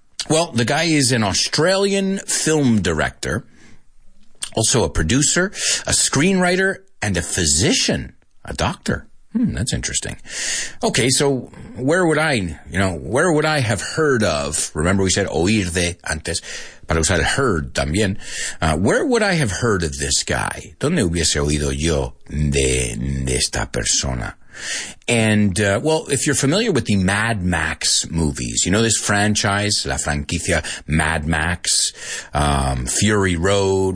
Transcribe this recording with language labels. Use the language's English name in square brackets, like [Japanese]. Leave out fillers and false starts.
[English] Well, the guy is an Australian film director, also a producer, a screenwriter, and a physician, a doctor. That's interesting. Okay, so where would I have heard of? Remember we said [Spanish] oír de antes, para usar heard también. [English] Where would I have heard of this guy? [Spanish] ¿Dónde hubiese oído yo de esta persona? [English] And, well, if you're familiar with the Mad Max movies, you know this franchise, [Spanish] la franquicia [English] Mad Max, Fury Road.